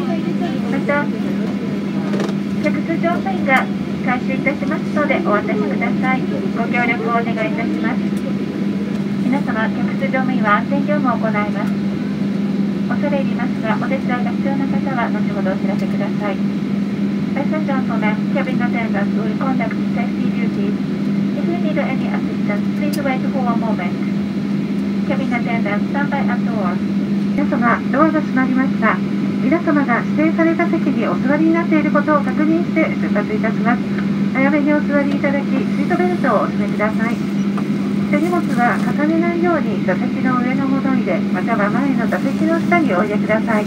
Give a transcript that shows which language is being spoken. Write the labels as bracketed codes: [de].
[ja] また客室乗務員が回収いたしますのでお渡しください。ご協力をお願いいたします。皆様、客室乗務員は安全業務を行います。恐れ入りますが、お手伝いが必要な方は後ほどお知らせください。 [en] Passenger for the cabin attendants will conduct safety duties. If you need any assistance, please wait for a moment. Cabin attendants, stand by at door. [ja] 皆様、ドアが閉まりました。皆様が指定された席にお座りになっていることを確認して出発いたします。早めにお座りいただき、シートベルトをお締めください。手荷物は重ねないように座席の上の物入れまたは前の座席の下にお入れください。